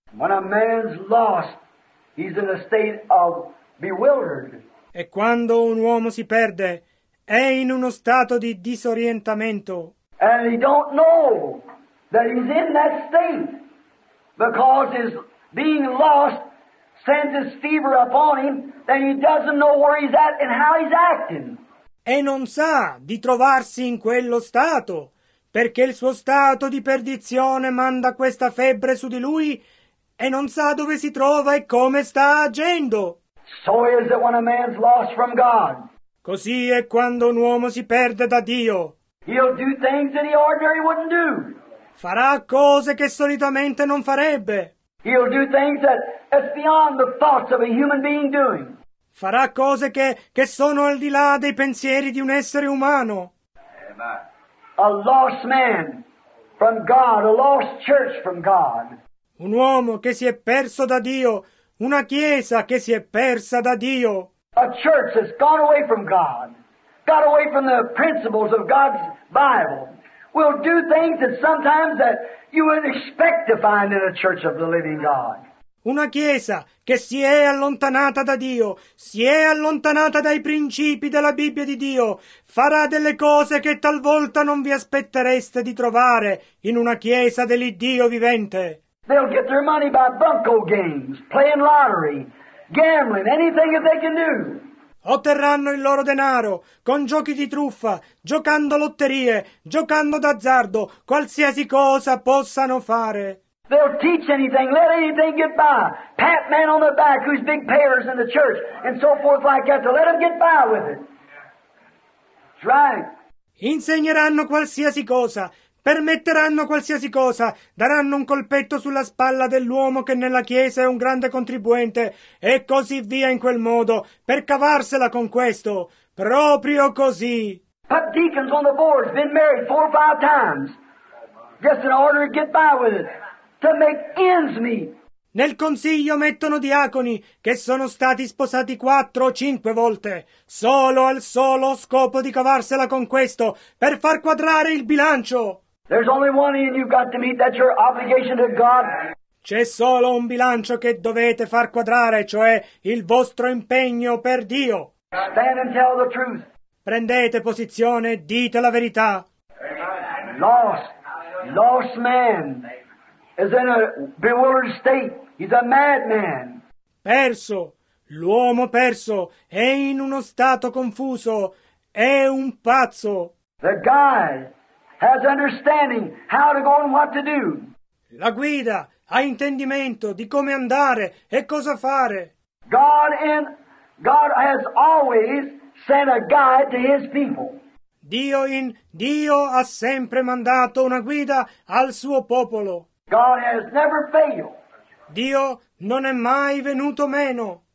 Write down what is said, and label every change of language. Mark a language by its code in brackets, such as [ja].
[en] When a man's lost, he's in a state of bewildered. [it] E quando un uomo si perde, è in uno stato di disorientamento. [en] And he don't know that he's in that state because his being lost sends his fever upon him, then he doesn't know where he's at and how he's acting. [it] E non sa di trovarsi in quello stato. Perché il suo stato di perdizione manda questa febbre su di lui e non sa dove si trova e come sta agendo. [en] So is it when a man's lost from God. [it] Così è quando un uomo si perde da Dio. [en] He'll do things that he ordinarily wouldn't do. [it] Farà cose che solitamente non farebbe. [en] He'll do things that is beyond the thoughts of a human being doing. [it] Farà cose che sono al di là dei pensieri di un essere umano. [en] A lost man from God, a lost church from God. [it] Un uomo che si è perso da Dio, una chiesa che si è persa da Dio. [en] A church that's gone away from God, got away from the principles of God's Bible, will do things that sometimes that you wouldn't expect to find in a church of the living God. [it] Una chiesa che si è allontanata da Dio, si è allontanata dai principi della Bibbia di Dio, farà delle cose che talvolta non vi aspettereste di trovare in una chiesa dell'Iddio vivente. [en] They'll get their money by bunco games, playing lottery, gambling, anything that they can do. [it] Otterranno il loro denaro con giochi di truffa, giocando lotterie, giocando d'azzardo, qualsiasi cosa possano fare. [en] They'll teach anything, let anything get by. Pat man on the back who's big payers in the church and so forth like that, to let them get by with it. Right. [it] Insegneranno qualsiasi cosa, permetteranno qualsiasi cosa, daranno un colpetto sulla spalla dell'uomo che nella chiesa è un grande contribuente e così via in quel modo, per cavarsela con questo, proprio così. [en] Put deacons on the board, been married 4 or 5 times, just in order to get by with it, to make ends meet. [it] Nel consiglio mettono diaconi che sono stati sposati 4 o 5 volte, solo al solo scopo di cavarsela con questo, per far quadrare il bilancio. [en] There's only one and you've got to meet, that's your obligation to God. [it] C'è solo un bilancio che dovete far quadrare, cioè il vostro impegno per Dio. [en] Stand and tell the truth. [it] Prendete posizione, dite la verità. [en] Lost man is in a bewildered state. He's a madman. [it] Perso, l'uomo perso è in uno stato confuso, è un pazzo. [en] The guy has understanding how to go and what to do. [it] La guida ha intendimento di come andare e cosa fare. [en] God has always sent a guide to his people. [it] Dio ha sempre mandato una guida al suo popolo. [en] God has never failed. [it] Dio non è mai venuto meno.